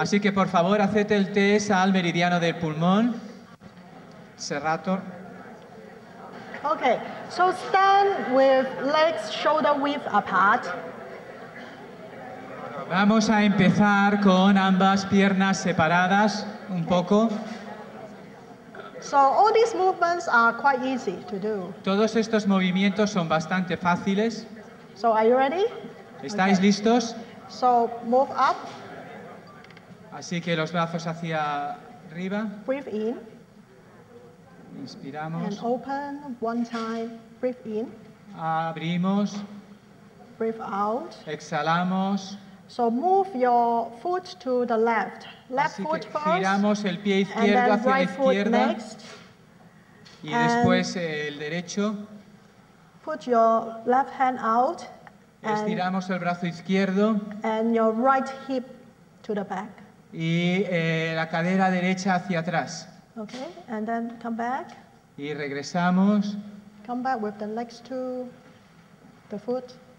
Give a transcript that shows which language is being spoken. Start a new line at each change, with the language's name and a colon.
Spanish: Así que por favor hacete el test al meridiano del pulmón.
English: Serrator. Okay, so stand with legs shoulder width apart.
Spanish: Vamos a empezar con ambas piernas separadas un poco.
English: So all these movements are quite easy to do.
Spanish: Todos estos movimientos son bastante fáciles.
English: So are you ready?
Spanish: ¿Estáis listos?
English: So move up.
Spanish: Así que los brazos hacia arriba.
English: Breathe in.
Spanish: Inspiramos.
English: And open one time. Breathe in.
Spanish: Abrimos.
English: Breathe out.
Spanish: Exhalamos.
English: So move your foot to the left. Left foot first.
Spanish: Giramos el pie izquierdo
English: and then
Spanish: hacia
English: right
Spanish: la izquierda.
English: Foot next.
Spanish: Y después el derecho.
English: Put your left hand out.
Spanish: Estiramos el brazo izquierdo.
English: And your right hip to the back.
Spanish: Y la cadera derecha hacia atrás.
English: Okay, and then come back.
Spanish: Y regresamos.
English: Come back with the legs to the foot.